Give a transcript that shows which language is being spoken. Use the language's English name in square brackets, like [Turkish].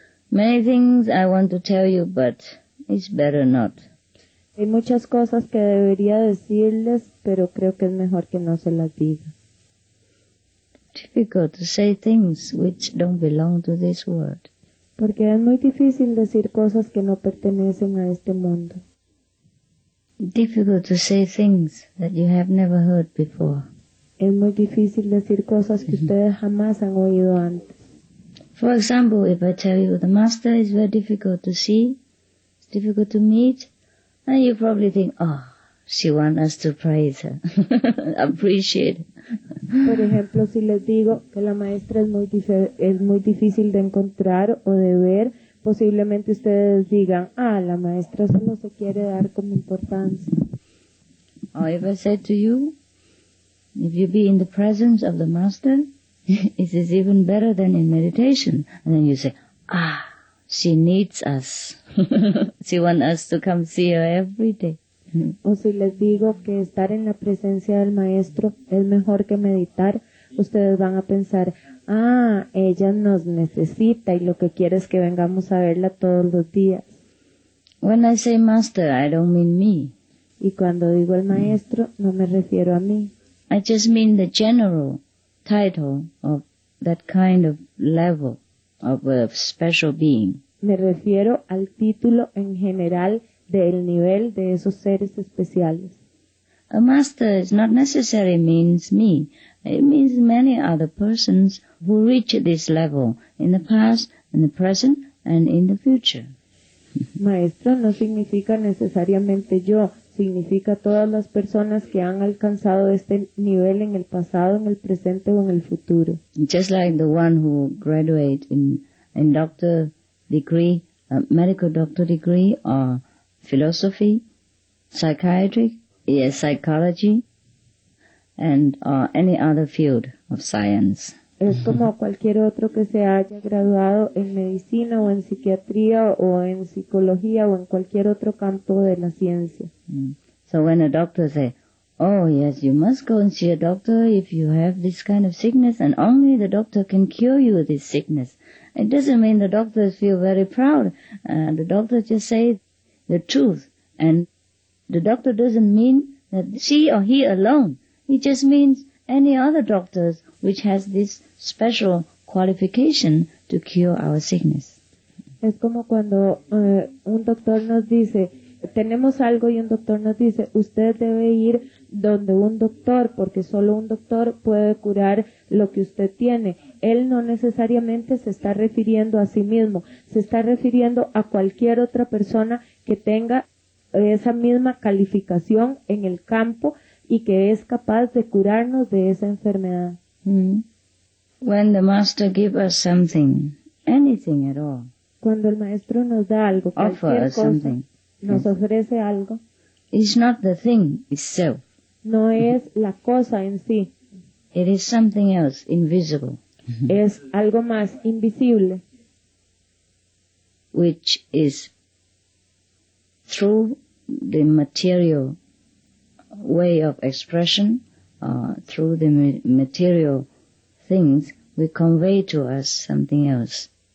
[English] Many things I want to tell you, but it's better not. [Spanish] Hay muchas cosas que debería decirles, pero creo que es mejor que no se las diga. [English] Difficult to say things which don't belong to this world. [Spanish] Porque es muy difícil decir cosas que no pertenecen a este mundo. [English] Difficult to say things that you have never heard before. [Spanish] Es muy difícil decir cosas que ustedes jamás han oído antes. [English] For example, if I tell you the master is very difficult to see, it's difficult to meet, then you probably think, oh, she wants us to praise her, appreciate. [Spanish] Por ejemplo, si les digo que la maestra es muy difícil de encontrar o de ver, posiblemente ustedes digan, ah, la maestra solo se quiere dar como importancia. [English] Or if I say to you, if you be in the presence of the master, it is even better than in meditation. And then you say, ah, she needs us. She wants us to come see her every day. [Spanish] O si les digo que estar en la presencia del maestro es mejor que meditar, ustedes van a pensar, ah, ella nos necesita y lo que quiere es que vengamos a verla todos los días. [English] When I say master, I don't mean me. [Spanish] Y cuando digo el maestro, no me refiero a mí. [English] I just mean the general title of that kind of level of a special being. [Spanish] Me refiero al título en general del nivel de esos seres especiales. [English] A master is not necessarily means me. It means many other persons who reach this level in the past, in the present, and in the future. [Spanish] Maestro no significa necesariamente yo. Significa todas las personas que han alcanzado este nivel en el pasado, en el presente o en el futuro. [English] Just like the one who graduate in doctor degree, medical doctor degree, or philosophy, psychiatry, yes, psychology, and any other field of science. [Spanish] Es como cualquier otro que se haya graduado en medicina o en psiquiatría o en psicología o en cualquier otro campo de la ciencia. [English] So when a doctor say, oh yes, you must go and see a doctor if you have this kind of sickness and only the doctor can cure you this sickness. It doesn't mean the doctors feel very proud. The doctor just say the truth and the doctor doesn't mean that she or he alone. It just means any other doctors which has this special qualification to cure our sickness. [Spanish] Es como cuando un doctor nos dice, tenemos algo y un doctor nos dice, usted debe ir donde un doctor, porque solo un doctor puede curar lo que usted tiene. Él no necesariamente se está refiriendo a sí mismo, se está refiriendo a cualquier otra persona que tenga esa misma calificación en el campo y que es capaz de curarnos de esa enfermedad. [English] When the master gives us something, anything at all, [Spanish] cuando el maestro nos da algo, cualquier cosa, something, nos ofrece algo, [English] it's not the thing itself. [Spanish] No es la cosa en sí. [English] It is something else, invisible. [Spanish] Es algo más invisible. [English] Which is through the material way of expression, through the material things, we convey to us something else.